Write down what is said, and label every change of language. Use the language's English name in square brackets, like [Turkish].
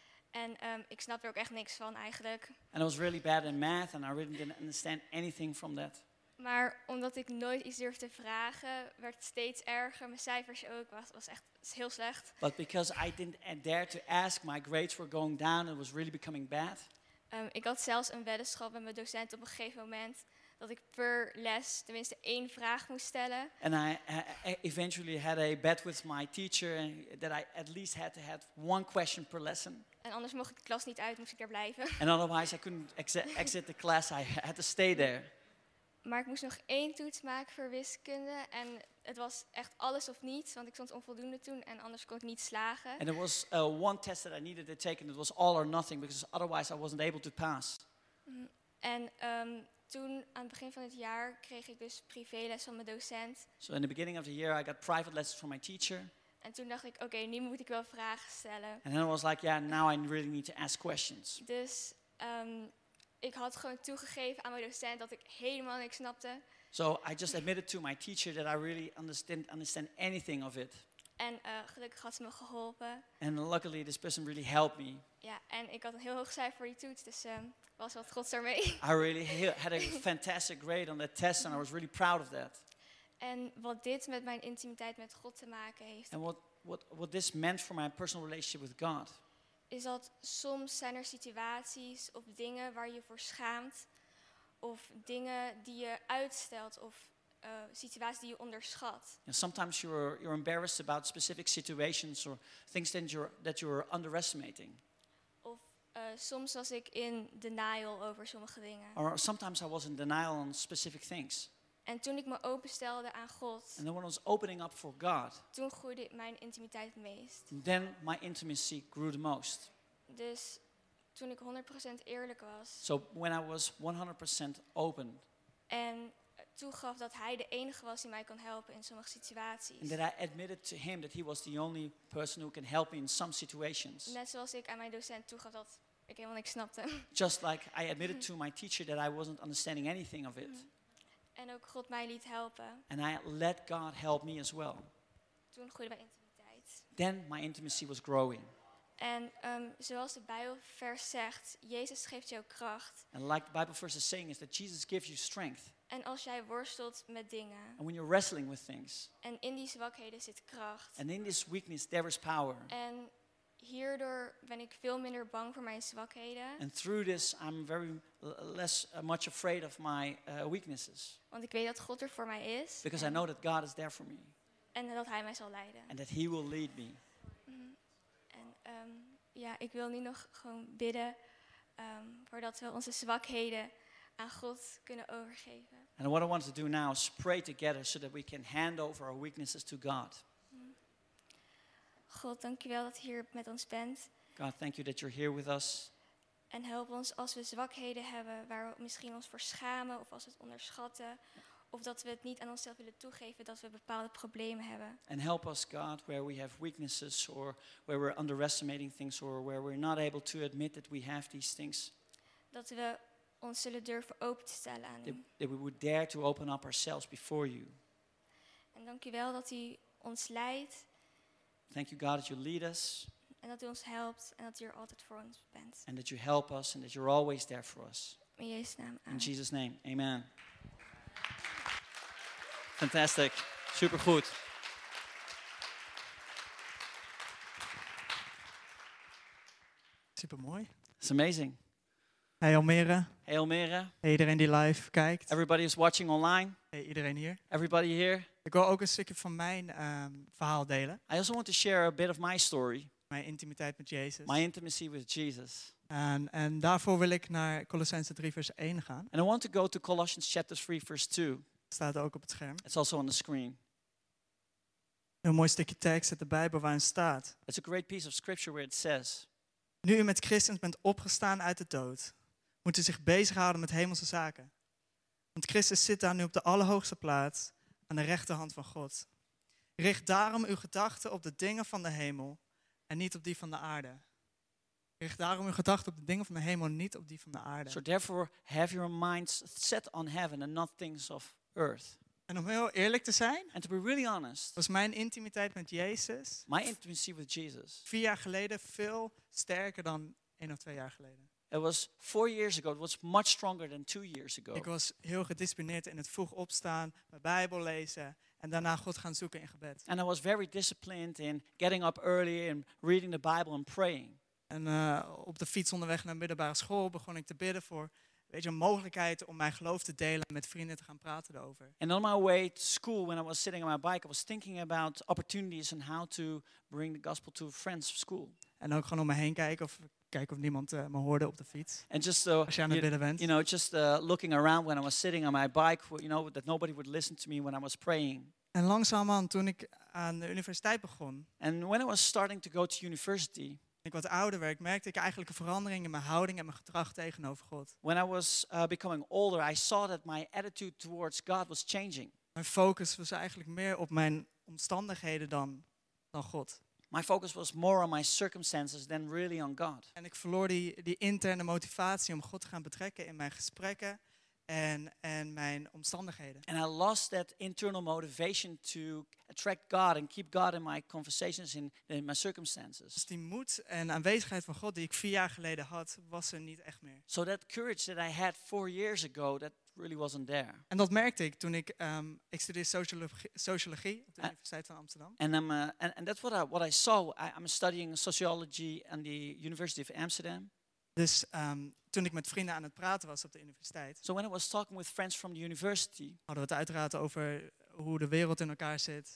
[Dutch] En ik snapte er ook echt niks van eigenlijk. [English] And I was really bad in math and I really didn't understand anything from that. [Dutch] Maar omdat ik nooit iets durfde te vragen, werd het steeds erger. Mijn cijfers ook, was echt heel slecht. [English] But because I didn't dare to ask, my grades were going down, it was really becoming bad. [Dutch] Ik had zelfs een weddenschap met mijn docent op een gegeven moment dat ik per les tenminste één vraag moest stellen. [English] And I eventually had a bet with my teacher that I at least had to have one question per lesson. [Dutch] En anders mocht ik de klas niet uit, moest ik daar blijven. [English] And otherwise I couldn't exit the class, I had to stay there. [Dutch] Maar ik moest nog één toets maken voor wiskunde en het was echt alles of niets, want ik stond onvoldoende toen en anders kon ik niet slagen. [English] And it was one test that I needed to take and it was all or nothing because otherwise I wasn't able to pass. [Dutch] En toen aan het begin van het jaar kreeg ik dus privéles van mijn docent. [English] So in the beginning of the year I got private lessons from my teacher. [Dutch] En toen dacht ik, oké, nu moet ik wel vragen stellen. [English] And then I was like, yeah, now I really need to ask questions. [Dutch] Dus ik had gewoon toegegeven aan mijn docent dat ik helemaal niks snapte. [English] So I just admitted to my teacher that I really didn't understand anything of it. [Dutch] En gelukkig had ze me geholpen. [English] And luckily this person really helped me. [Dutch] Ja, en ik had een heel hoog cijfer voor die toets, dus was wat trots ermee. [English] I really had a fantastic grade on that test and I was really proud of that. [Dutch] En wat dit met mijn intimiteit met God te maken heeft. [English] And what this meant for my personal relationship with God. [Dutch] Is dat soms zijn er situaties of dingen waar je voor schaamt. Of dingen die je uitstelt of situaties die je onderschat. [English] And sometimes you're embarrassed about specific situations or things that you're underestimating. [Dutch] Of soms was ik in denial over sommige dingen. [English] Or sometimes I was in denial on specific things. [Dutch] En toen ik me openstelde aan God. [English] And then when I was opening up for God. [Dutch] Toen groeide mijn intimiteit het meest. [English] Then my intimacy grew the most. [Dutch] Dus toen ik 100% eerlijk was. [English] So when I was 100% open. [Dutch] En toegaf dat Hij de enige was die mij kon helpen in sommige situaties. [English] And that I admitted to Him that He was the only person who can help me in some situations. [Dutch] Net zoals ik aan mijn docent toegaf dat ik helemaal niks snapte. [English] Just like I admitted to my teacher that I wasn't understanding anything of it. [Dutch] En ook God mij liet helpen. [English] And I let God help me as well. [Dutch] Toen groeide mijn intimiteit. [English] Then my intimacy was growing. [Dutch] En zoals de Bijbelvers zegt, Jezus geeft jou kracht. [English] And like the Bible verse is saying is that Jesus gives you strength. [Dutch] En als jij worstelt met dingen. [English] And when you're wrestling with things. [Dutch] En in die zwakheden zit kracht. [English] And in this weakness there is power. [Dutch] En hierdoor ben ik veel minder bang voor mijn zwakheden. [English] And through this I'm very less much afraid of my weaknesses. [Dutch] Want ik weet dat God er voor mij is. [English] Because I know that God is there for me. [Dutch] En dat Hij mij zal leiden. [English] And that He will lead me. [Dutch] En ik wil nu nog gewoon bidden voordat we onze zwakheden aan God kunnen overgeven. [English] And what I want to do now is pray together so that we can hand over our weaknesses to God. [Dutch] God, dankjewel dat je hier met ons bent. [English] God, thank you that you're here with us. [Dutch] En help ons als we zwakheden hebben waar we misschien ons voor schamen of als we het onderschatten. Of dat we het niet aan onszelf willen toegeven dat we bepaalde problemen hebben. [English] And help us, God, where we have weaknesses or where we're underestimating things or where we're not able to admit that we have these things. [Dutch] Dat we ons zullen durven open te stellen aan [English] Him. That we would dare to open up ourselves before you. [Dutch] En dank u wel dat u ons leidt. [English] Thank you, God, that you lead us. [Dutch] En dat u ons helpt en dat u er altijd voor ons bent. [English] And that you help us and that you're always there for us. [Dutch] In Jezus' naam, [English] amen. In Jesus' name, amen. Fantastic. [Dutch] Supergoed. Supermooi. [English] It's amazing. [Dutch] Hey Almere. [English] Hey Almere. [Dutch] Hey iedereen die live kijkt. [English] Everybody is watching online. [Dutch] Hey iedereen hier. [English] Everybody here. [Dutch] Ik wil ook een stukje van mijn verhaal delen. [English] I also want to share a bit of my story. [Dutch] Mijn intimiteit met Jezus. [English] My intimacy with Jesus. [Dutch] En daarvoor wil ik naar Colossenzen 3 vers 1 gaan. [English] And I want to go to Colossians chapter 3 verse 2. [Dutch] Staat ook op het scherm. [English] It's also on the screen. [Dutch] Een mooi stukje tekst uit de Bijbel waarin staat. [English] It's a great piece of scripture where it says. [Dutch] Nu u met Christus bent opgestaan uit de dood, moet u zich bezighouden met hemelse zaken. Want Christus zit daar nu op de allerhoogste plaats, aan de rechterhand van God. Richt daarom uw gedachten op de dingen van de hemel en niet op die van de aarde. Richt daarom uw gedachten op de dingen van de hemel en niet op die van de aarde. [English] So therefore have your minds set on heaven and not things of earth. [Dutch] En om heel eerlijk te zijn, [English] and to be really honest, [Dutch] was mijn intimiteit met Jezus, [English] my intimacy with Jesus, [Dutch] 4 jaar geleden veel sterker dan 1 of 2 jaar geleden. [English] It was 4 years ago. It was much stronger than 2 years ago. [Dutch] Ik was heel gedisciplineerd in het vroeg opstaan, mijn Bijbel lezen en daarna God gaan zoeken in gebed. [English] And I was very disciplined in getting up early and reading the Bible and praying. [Dutch] En op de fiets onderweg naar middelbare school begon ik te bidden voor. Weet je, een mogelijkheid om mijn geloof te delen met vrienden te gaan praten erover. [English] And on my way to school, when I was sitting on my bike, I was thinking about opportunities and how to bring the gospel to friends of school. [Dutch] En ook gewoon om me heen kijken of niemand me hoorde op de fiets. [English] And just so, [Dutch] als je aan het bidden bent. [English] You know, just looking around when I was sitting on my bike, you know, that nobody would listen to me when I was praying. [Dutch] En langzamerhand, toen ik aan de universiteit begon. [English] And when I was starting to go to university. [Dutch] Ik wat ouder werd, merkte ik eigenlijk een verandering in mijn houding en mijn gedrag tegenover God. [English] When I was becoming older, I saw that my attitude towards God was changing. [Dutch] Mijn focus was eigenlijk meer op mijn omstandigheden dan God. [English] My focus was more on my circumstances than really on God. [Dutch] En ik verloor die interne motivatie om God te gaan betrekken in mijn gesprekken en mijn omstandigheden. [English] And I lost that internal motivation to attract God and keep God in my conversations in my circumstances. [Dutch] Dus die moed en aanwezigheid van God die ik 4 jaar geleden had, was er niet echt meer. [English] So that courage that I had 4 years ago, that really wasn't there. [Dutch] En dat merkte ik toen ik studeerde sociologie op de Universiteit van Amsterdam. [English] And that's what I saw. I'm studying sociology at the University of Amsterdam. [Dutch] Dus toen ik met vrienden aan het praten was op de universiteit. [English] So when I was talking with friends from the university. [Dutch] Hadden we het uiteraard over hoe de wereld in elkaar zit.